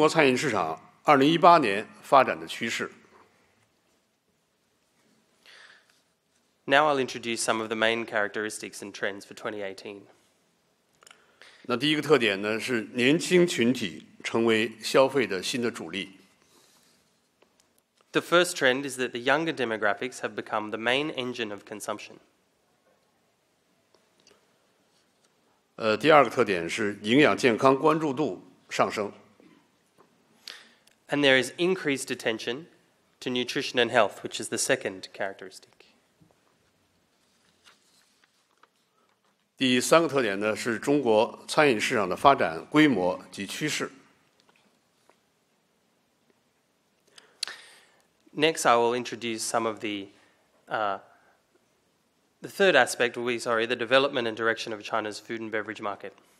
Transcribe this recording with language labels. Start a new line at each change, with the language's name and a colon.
Chinese: 以上是2017年的几个这个消费特点的分析。接下来呢是中国餐饮市场2018年发展的趋势。
English: Now I'll introduce some of the main characteristics and trends for 2018.
Chinese: 那第一个特点呢，是年轻群体成为消费的新的主力。
English: The first trend is that the younger demographics have become the main engine of consumption.
Chinese: 第二个特点是营养健康关注度上升。
English: And there is increased attention to nutrition and health, which is the second characteristic.
Chinese: 第三个特点呢，是中国餐饮市场的发展规模及趋势。
English: Next, I will introduce some of the third aspect will be, the development and direction of China's food and beverage market.